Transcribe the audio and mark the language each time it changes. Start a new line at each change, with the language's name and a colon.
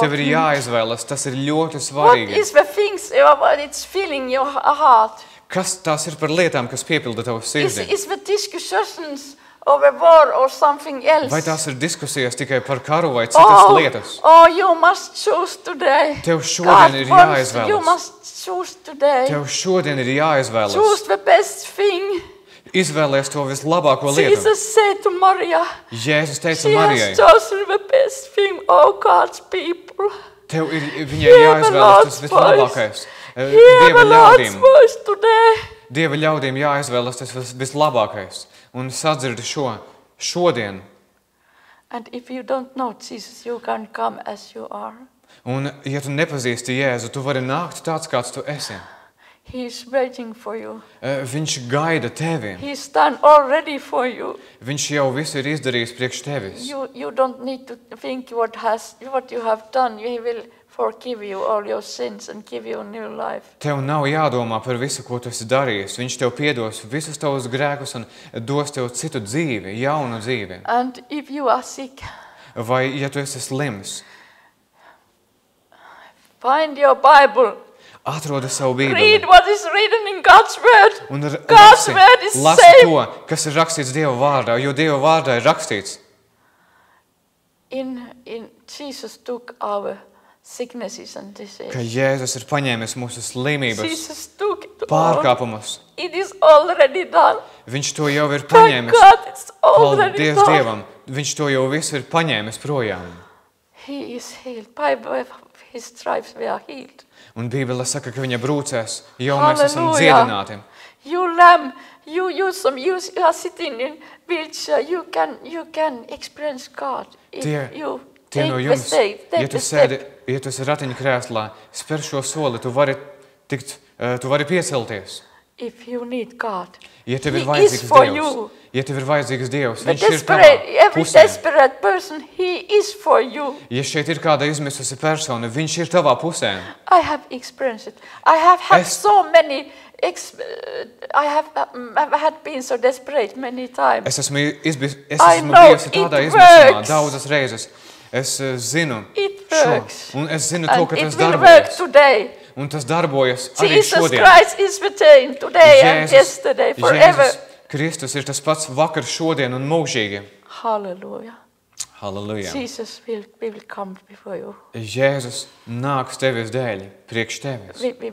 Latvian: Tev ir jāizvēlas, tas ir ļoti svarīgi.
English: What is the things about it's filling your heart?
Latvian: Kas tās ir par lietām, kas piepilda tavu sirdi?
English: Is the discussions over war or something else.
Latvian: Vai tās ir diskusijas tikai par karu vai citas lietas?
English: Oh, you must choose today.
Latvian: Tev šodien ir jāizvēlas.
English: You must choose today.
Latvian: Tev šodien ir jāizvēlas.
English: Choose the best thing.
Latvian: Izvēlies to vislabāko lietu.
English: Jesus said to Maria.
Latvian: Jēzus teica Marijai.
English: She has chosen the best thing, oh God's people.
Latvian: Tev ir viņai jāizvēlas tas vislabākais. Dieva ļaudīm. Dieva ļaudīm jāizvēlas tas vislabākais. Un sadzird šo šodien.
English: And if you don't know Jesus, you can come as you are.
Latvian: Un ja tu nepazīsti Jēzu, tu vari nākt tāds, kāds tu esi.
English: He is waiting for you.
Latvian: Viņš gaida tevi.
English: He is done already for you.
Latvian: Viņš jau visu ir izdarījis priekš tevis.
English: You don't need to think what you have done. He will forgive you all your sins and give you a new life.
Latvian: Tev nav jādomā par visu, ko tu esi darījis. Viņš tev piedos visus tavus grēkus un dos tev citu dzīvi, jaunu dzīvi.
English: And if you are sick.
Latvian: Vai ja tu esi slims?
English: Find your Bible.
Latvian: Atrodi savu Bībeli.
English: Read what is written in God's word.
Latvian: Un raksti, lasi to, kas ir rakstīts Dieva vārdā, jo Dieva vārdā ir rakstīts.
English: In Jesus took our sicknesses and diseases.
Latvian: Ka Jēzus ir paņēmis mūsu slimības.
English: Jesus took it all.
Latvian: Pārkāpumus.
English: It is already done.
Latvian: Viņš to jau ir paņēmis.
English: Thank God, it's already done.
Latvian: Paldies Dievam. Viņš to jau visu ir paņēmis projām.
English: He is healed. By his stripes we are healed.
Latvian: Un Bībele saka, ka viņa brūcēs, jau mēs esam dziedināti.
English: You lamb, you are sitting in wheelchair, you can experience God.
Latvian: Tie no jums, ja tu esi ratiņkrēslā, sper šo soli, tu vari piecelties.
English: If you need God.
Latvian: Ja tev ir vajadzīgs Dievs. You. Ja tev ir vajadzīgs Dievs, viņš ir tavā pusē.
English: Every desperate person, he is for you.
Latvian: Ja šeit ir kāda izmisusi persona, viņš ir tavā pusē.
English: I have experienced it. I have had so many I have had been so desperate many times.
Latvian: Es esmu bijusi tādā izmisumā daudzas reizes. Es zinu šo. Un es zinu to, ka tas darbojas. Un tas darbojas arī šodien.
English: Jesus Christ is the same today and yesterday forever.
Latvian: Kristus ir tas pats vakar, šodien un mūžīgi. Halleluja. Halleluja.
English: Jesus will come before you.
Latvian: Jēzus nāks tevis dēļ, priekš tevis.